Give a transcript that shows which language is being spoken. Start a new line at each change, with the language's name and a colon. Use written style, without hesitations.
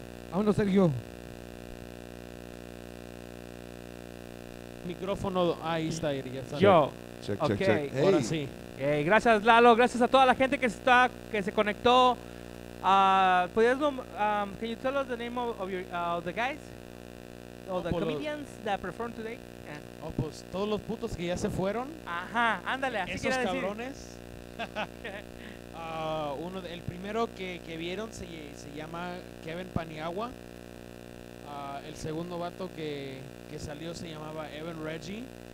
Spanish: Vámonos, Sergio. Micrófono, ahí está, ya está. Yo.
English: Check, okay.
Spanish: Hey. Ahora sí. Gracias, Lalo. Gracias a toda la gente que está, que se conectó.
English: Can you tell us the name of the guys? Comedians that performed today? Yeah.
Spanish: Oh, pues todos los putos que ya se fueron. Ajá, ándale, así que esos cabrones. El primero que vieron se llama Kevin Paniagua. El segundo vato que salió se llamaba Evan Reggie.